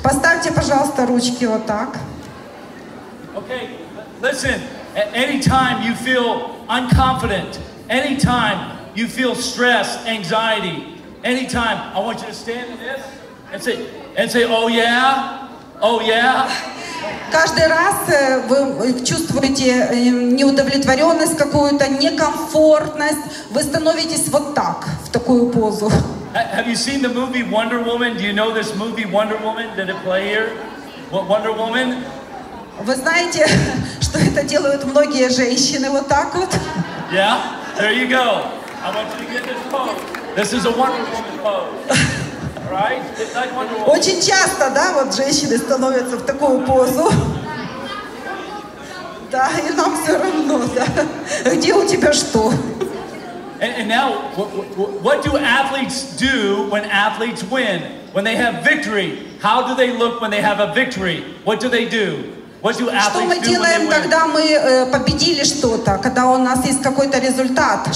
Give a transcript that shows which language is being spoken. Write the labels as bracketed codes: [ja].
[ru] Поставьте, пожалуйста, ручки вот так. [en] Okay, listen. At any time you feel unconfident, any time you feel stress, anxiety, any time, I want you to stand in this and say, oh yeah. Oh yeah. [ru] Каждый раз вы чувствуете неудовлетворенность какую-то, некомфортность. Вы становитесь вот так, в такую позу. [en] Have you seen the movie Wonder Woman? Do you know this movie Wonder Woman? Did it play here? What Wonder Woman? [ru] Вы знаете, что это делают многие женщины вот так вот? [en] Yeah. There you go. I want you to get this pose. This is a Wonder Woman pose. Right? [ru] Очень часто, да, вот женщины становятся в такую позу. Да, и нам все равно, да. Где у тебя что? [en] And now, what do athletes do when athletes win? When they have victory, how do they look when they have a victory? What do they do? What do athletes do when they win? [ru] Что мы делаем, когда мы победили что-то, когда у нас есть какой-то результат?